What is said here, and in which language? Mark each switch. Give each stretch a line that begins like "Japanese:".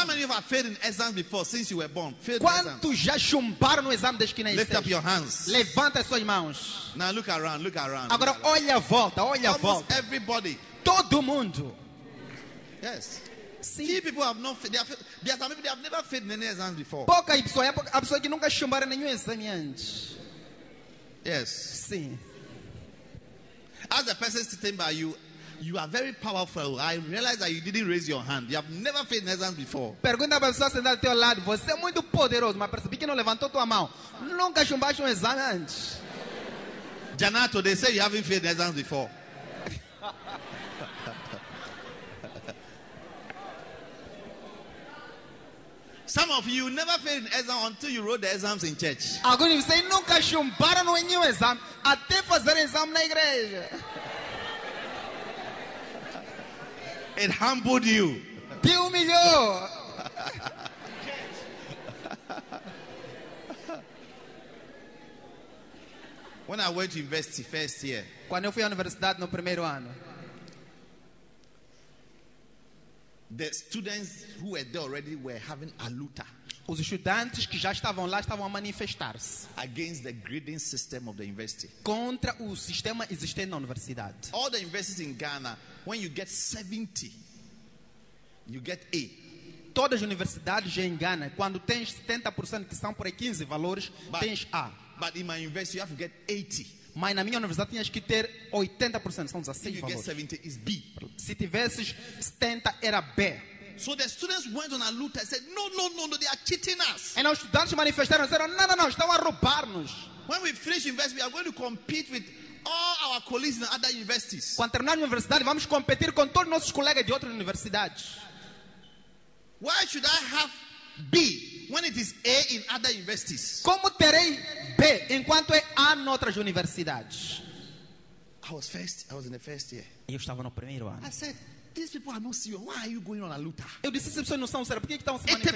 English: How many of you have failed in exams before since you were born?
Portuguese: Quantos já chumbaram no exame desde que nasceram?
English: Lift up your hands.
Portuguese: Levanta as suas mãos.
English: Now look around, look around.
Portuguese: Agora olha a volta, olha a volta.
English: Almost everybody.
Portuguese: Todo mundo.
English: Yes.
Portuguese: Sim.
English: Few people have not failed. There are some people they have never failed in any exams before.
Portuguese: Poucas pessoas, há pessoas que nunca chumbaram nenhum exame antes.
English: Yes.
Portuguese: Sim.
English: As the person sitting by you. You are very powerful. I realize that you didn't raise your hand. You have never failed exams before.
Portuguese: Pergunta para a pessoa sentada ao teu lado. Você é muito poderoso, mas percebi que não levantou tua mão. Nunca chumbaste um exame antes.
English: Janato, they say you haven't failed exams before. Some of you never failed exams until you wrote the exams in church.
Portuguese: Alguns de vocês nunca chumbaram um nenhum exame até fazer exame na igreja.
English: It humbled you.
Portuguese: Te humilhou.
English: When I went to university first year.
Portuguese: Quando eu fui à universidade no primeiro ano.
English: The students who were there already were having a luta.
Portuguese: Os estudantes que já estavam lá estavam a manifestar-se.
English: Against the grading system of the university.
Portuguese: Contra o sistema existente na universidade.
English: All the universities in Ghana, when you get 70, you get A.
Portuguese: Todas as universidades em Ghana, quando tens 70% que são por aí 15 valores, tens A.
English: But in my university you have to get 80.
Portuguese: Mas na minha universidade tinhas que ter 80%, são 16 valores.
English: If you get 70, it's B.
Portuguese: Se tivesses 70, era B.
English: So the students went on a loot and said, no, they are cheating us.
Portuguese: E os estudantes manifestaram e disseram, não, estão a roubar-nos.
English: When we finish university, we are going to compete with all our colleagues in other universities.
Portuguese: Quando terminar a universidade, vamos competir com todos os nossos colegas de outras universidades.
English: Why should I have B when it is A in other universities?
Portuguese: Como terei B enquanto é A em outras universidades?
English: I was in the first year.
Portuguese: Eu estava no primeiro ano.
English: I said, these people are not serious. Why are you going on a luta?
Portuguese: Eu disse, essas pessoas não são sérias. Por que estão se manifestando?